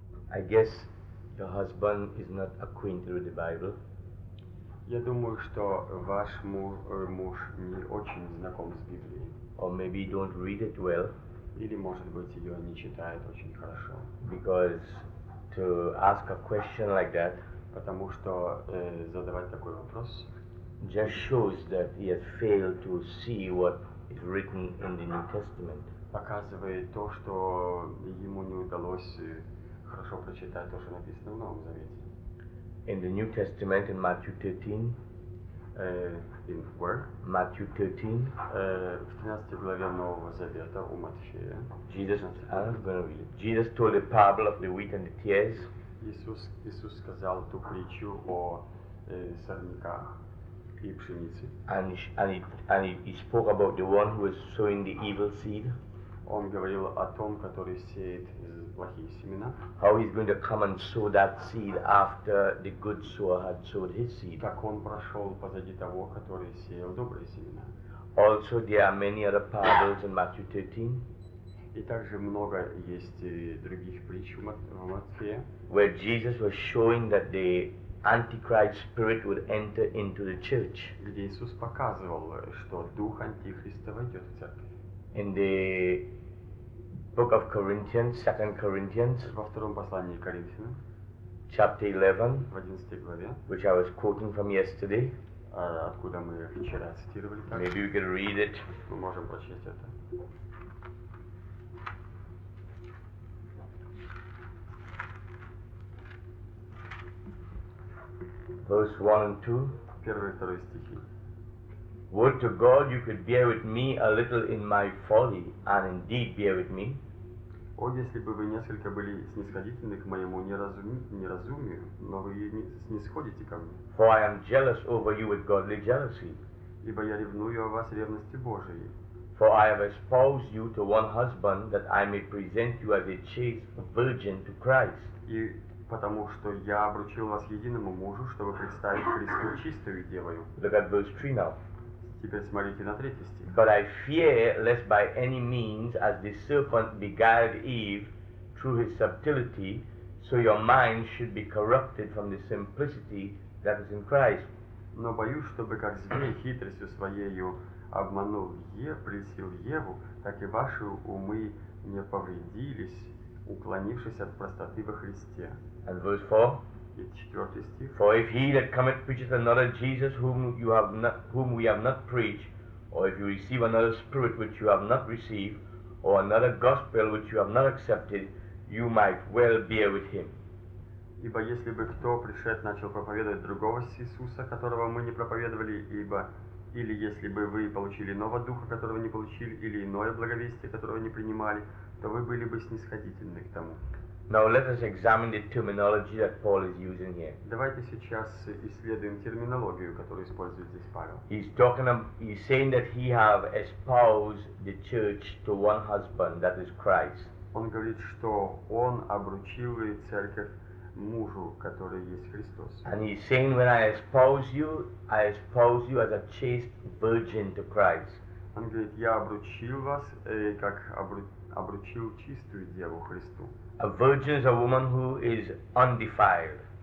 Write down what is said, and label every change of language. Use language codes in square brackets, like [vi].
[en] I guess your husband is not acquainted with the Bible. [ru] Я думаю, что ваш муж не очень знаком с Библией. [en] Or maybe he don't read it well. [ru] Или, может быть, ее не читает очень хорошо. [en] Because to ask a question like that, [ru] потому что задавать такой вопрос, [en] just shows that he has failed to see what is written in the New Testament. [ru] Показывает то, что ему не удалось хорошо прочитать то, что написано в Новом Завете. [en] In the New Testament, in Matthew 13, in where? Matthew 13. [ru] В 13 главе Нового Завета у Матфея. [en] Jesus, I'm going to read it. Jesus told the parable of the wheat and the tares. [ru] Иисус сказал ту притчу о сорняках и пшенице. [en] And he spoke about the one who was sowing the evil seed. [ru] Он говорил о том, который сеет плохие семена. [en] How he's going to come and sow that seed after the good sower had sowed his seed. [ru] Как он прошел позади того, который сеял добрые семена. [en] Also, there are many other parables in Matthew 13. [ru] И также много есть других притч в Матфея. [en] Where Jesus was showing that the Antichrist spirit would enter into the church. [ru] Где Иисус показывал, что дух антихриста войдет в церковь. [en] In the book of Corinthians, 2 Corinthians, [ru] во втором послании Коринфянам, [en] chapter 11, [ru] в 11 главе, [en] which I was quoting from yesterday, [ru] откуда мы вчера цитировали, так? [en] Maybe we can read it. [ru] Мы можем прочесть это. [en] Verse 1 and 2. [ru] Первый и второй стихи. [en] Would to God you could bear with me a little in my folly, and indeed bear with me. [ru] О, если бы вы несколько были снисходительны к моему неразумию, но вы не снисходите ко мне. [en] For I am jealous over you with godly jealousy. [ru] Ибо я ревную о вас ревностью Божией. [en] For I have espoused you to one husband, that I may present you as a chaste virgin to Christ. [ru] И потому что я обручил вас единому мужу, чтобы представить Христу чистую девою. [en] Look at verse 3 now. [ru] Теперь смотрите на третий стих. [en] But I fear lest by any means, as the serpent beguiled Eve through his subtlety, so your mind should be corrupted from the simplicity that is in Christ. [ru] Но боюсь, чтобы как змей хитростью своею обманул прельстил Еву, так и ваши умы не повредились, уклонившись от простоты во Христе. [en] And verse 4. For if he that cometh preacheth another Jesus whom we have not preached, or if you receive another spirit which you have not received, or another gospel which you have not accepted, you might well bear with him. [ru] Ибо если бы кто пришед начал проповедовать другого Иисуса, которого мы не проповедовали, ибо или если бы вы получили нового духа, которого не получили, или иное благовестие, которого не принимали, то вы были бы снисходительны к тому. [en] Now let us examine the terminology that Paul is using here. [ru] Давайте сейчас исследуем терминологию, которую использует здесь Павел. [en] He's saying that he have espoused the church to one husband, that is Christ. [ru] Он говорит, что он обручил церковь мужу, который есть Христос. [en] And he's saying, when I espouse you as a chaste virgin to Christ. [ru] Он говорит, я обручил вас как обручил чистую деву Христу. [en] A virgin is a woman who is undefiled.